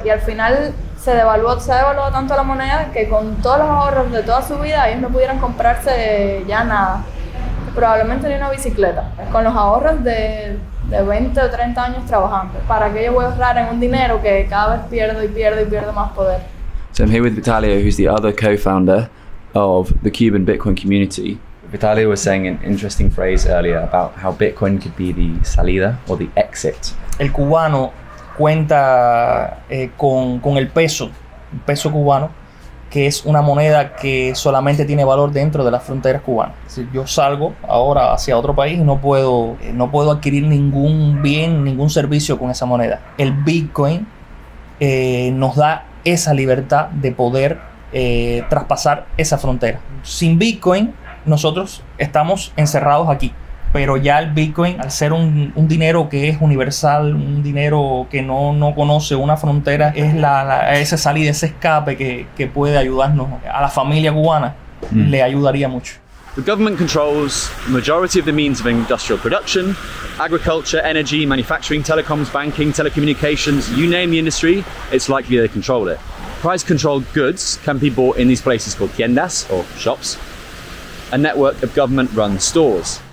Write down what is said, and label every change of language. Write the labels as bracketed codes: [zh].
[es] Y al final se devaluó tanto la moneda que con todos los ahorros de toda su vida ellos no pudieron comprarse ya nada. Probablemente ni una bicicleta. Con los ahorros de 20 o 30 años trabajando, ¿para qué yo voy a ahorrar en un dinero que cada vez pierdo y pierdo y pierdo más poder? [en] So I'm here with Vitalio, who's the other co-founder of the Cuban Bitcoin community. Vitalio was saying an interesting phrase earlier about how Bitcoin could be the salida or the exit. [es] El cubano cuenta con el peso cubano, que es una moneda que solamente tiene valor dentro de las fronteras cubanas. Es decir, yo salgo ahora hacia otro país y no puedo adquirir ningún bien, ningún servicio con esa moneda. El Bitcoin nos da esa libertad de poder traspasar esa frontera. Sin Bitcoin, nosotros estamos encerrados aquí. Pero ya el Bitcoin, al ser un dinero que es universal, un dinero que no conoce una frontera, es esa salida, ese escape que puede ayudarnos a la familia cubana le ayudaría mucho. [en] The government controls the majority of the means of industrial production, agriculture, energy, manufacturing, telecoms, banking, telecommunications, you name the industry, it's likely they control it. Price-controlled goods can be bought in these places called tiendas, or shops, a network of government-run stores.